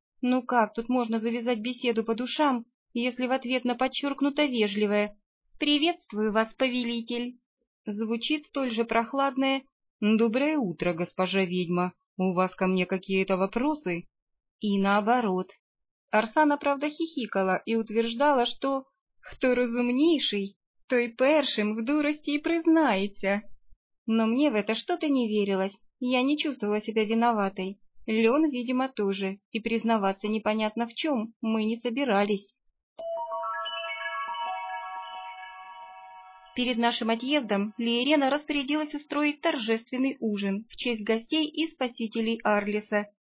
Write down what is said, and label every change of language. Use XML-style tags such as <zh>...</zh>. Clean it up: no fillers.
<ru>Ну как тут можно завязать беседу по душам, если в ответ на подчеркнуто вежливое «Приветствую вас, повелитель!» звучит столь же прохладное «Доброе утро, госпожа ведьма! У вас ко мне какие-то вопросы?» И наоборот. Арсана, правда, хихикала и утверждала, что</ru> <uk>«хто розумніший, той першим в дурості і признається».</uk> <ru>Но мне в это что-то не верилось, я не чувствовала себя виноватой. Лен, видимо, тоже, и признаваться непонятно в чем мы не собирались. Перед нашим отъездом Лиерена распорядилась устроить торжественный ужин в честь гостей и спасителей Арлиса.</ru>